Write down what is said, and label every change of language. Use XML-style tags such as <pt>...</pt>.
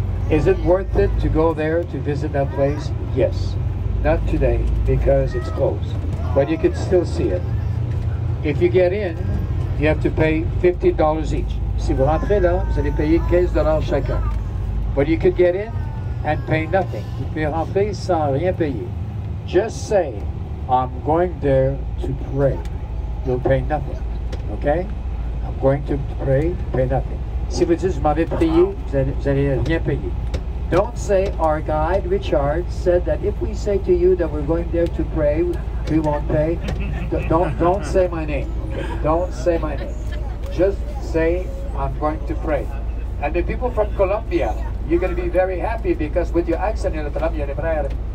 <en>Is it worth it to go there to visit that place? Yes. Not today, because it's closed. But you can still see it. If you get in, you have to pay $50 each.</en> <fr>Si vous rentrez là, vous allez payer 15 dollars chacun.</fr> <en>But you could get in and pay nothing.</en> <fr>Vous pouvez rentrer sans rien payer.</fr> <en>Just say, I'm going there to pray. You'll pay nothing. Okay? I'm going to pray, pay nothing.</en> <fr>Si vous dites, je m'en vais prier, vous allez rien payer.</fr> <en>Don't say, our guide, Richard, said that if we say to you that we're going there to pray, we won't pay. Don't say my name. Okay? Don't say my name. Just say, I'm going to pray. And the people from Colombia, you're going to be very happy because with your accent, you're going to be very happy.</en>